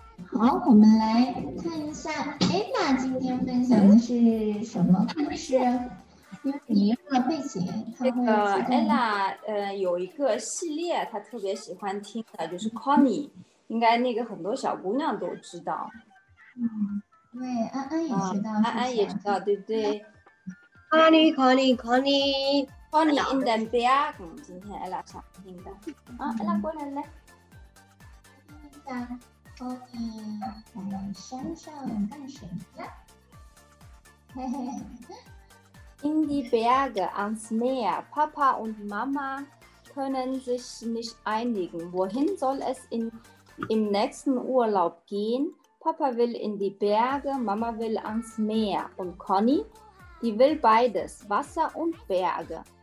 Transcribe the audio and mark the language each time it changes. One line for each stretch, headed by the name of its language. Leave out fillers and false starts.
Chinese: 好，我们来看一下 Ella 今天分享的是什么故事。因为你用了背景，这个 Ella 有一个系列，她特别喜欢听的，就是 Connie， 应该那个很多小姑娘都知道。嗯，对，安安也知道，安安也知道，对不对？Connie
English: in the back，
Chinese: 今天 Ella 想听的。啊 ，Ella 过来来。 Ella，Connie 在山上干什么？嘿嘿。
German: In die Berge ans Meer. Papa und Mama können sich nicht einigen. Wohin soll es im nächsten Urlaub gehen? Papa will in die Berge, Mama will ans Meer. Und Conny, die will beides, Wasser und Berge.